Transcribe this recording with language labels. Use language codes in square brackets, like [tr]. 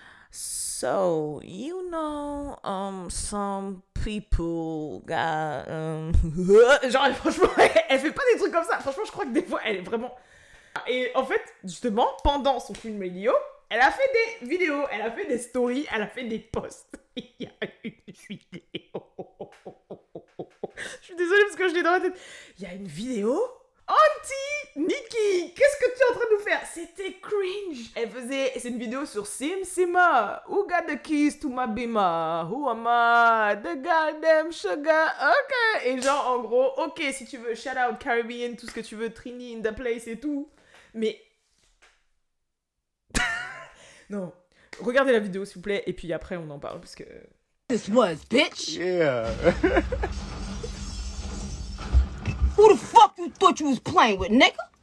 [en] So, you know, some people got... [fr] Genre, franchement, elle fait pas des trucs comme ça. Franchement, je crois que des fois, elle est vraiment... Et en fait, justement, pendant son film radio, elle a fait des vidéos, elle a fait des stories, elle a fait des posts. Il y a une vidéo. Je suis désolée parce que je l'ai dans la tête. Il y a une vidéo. Auntie Nikki, qu'est-ce que tu es en train de nous faire? C'était cringe. Elle faisait, c'est une vidéo sur Sim Sima. [en] Who got the keys to my bimah? Who am I? The goddamn sugar. Ok. [fr] Et genre, en gros, ok, si tu veux, [en] shout out Caribbean, [fr] tout ce que tu veux, [en] Trini in the place [fr] et tout. Mais... non. Regardez la vidéo, s'il vous plaît, et puis après, on en parle, parce que... [en] This was, bitch. Yeah. Who the fuck you thought you was playing with, nigga?